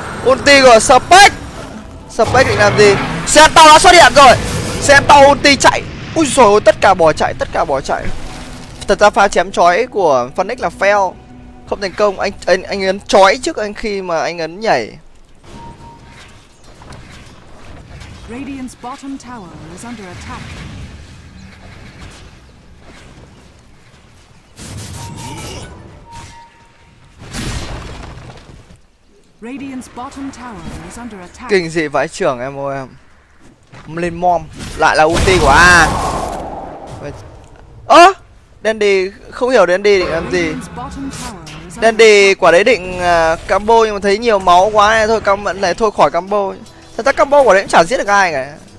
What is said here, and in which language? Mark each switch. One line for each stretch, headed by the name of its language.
Vietnamese: Ulti của Spike. Spike định làm gì? Sento đã xuất hiện rồi. Sento ulti chạy. Ui dồi ôi, tất cả bỏ chạy, tất cả bỏ chạy. Thật ra pha chém chói của Phoenix là fail, không thành công. Anh ấn chói trước anh khi mà anh ấn nhảy.
English: Radiant's bottom tower is under attack. Radiant's bottom tower is under attack.
Vietnamese: Kinh dị vãi trưởng em ơi. Em lên mom, lại là ulti của A. Ơ, Dandy không hiểu Dandy định làm gì. Dandy quả đấy định combo nhưng mà thấy nhiều máu quá này thôi, cam vẫn này thôi khỏi combo. Thật ra combo của đấy cũng chẳng giết được ai cả.